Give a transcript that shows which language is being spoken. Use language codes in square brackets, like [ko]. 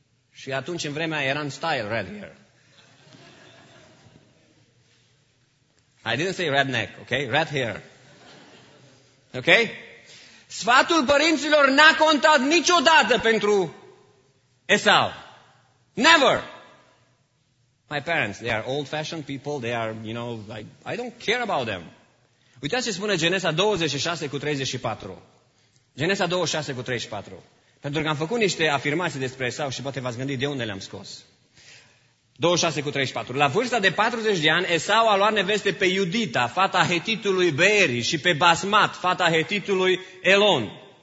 [ro] Și atunci în vremea era în [en] style red hair. I didn't say redneck, okay? Red hair. Ok? [ro] Sfatul părinților n-a contat niciodată pentru Esau. [en] Never! My parents, they are old-fashioned people, they are, you know, like, I don't care about them. [ro] Uitați ce spune Genesa 26 cu 34. Genesa 26 cu 34. Pentru că am făcut niște afirmații despre Esau și poate v-ați gândit de unde le-am scos. 26 cu 34. La vârsta de 40 de ani, Esau a luat neveste pe Iudita, fata hetitului Beeri, și pe Basmat, fata hetitului Elon.